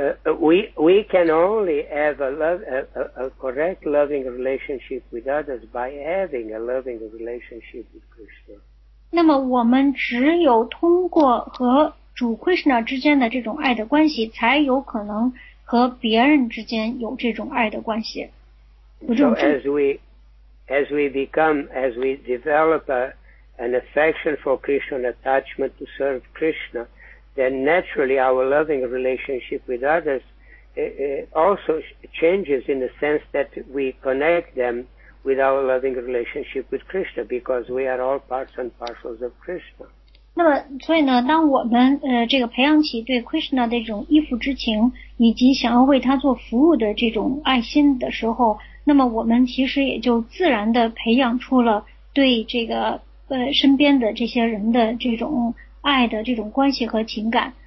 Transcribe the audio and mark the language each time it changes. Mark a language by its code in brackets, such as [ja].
[en] We can only have a correct loving relationship with others by having a loving relationship with Krishna. [zh] 那么我们只有通过和主 Krishna 之间的这种爱的关系，才有可能和别人之间有这种爱的关系。 [en] So as we develop an affection for Krishna, an attachment to serve Krishna, then naturally our loving relationship with others also changes in the sense that we connect them with our loving relationship with Krishna, because we are all parts and parcels of Krishna. [zh] 那么，所以呢，当我们这个培养起对 Krishna 的这种依附之情，以及想要为他做服务的这种爱心的时候，那么我们其实也就自然的培养出了对这个身边的这些人的这种爱的这种关系和情感。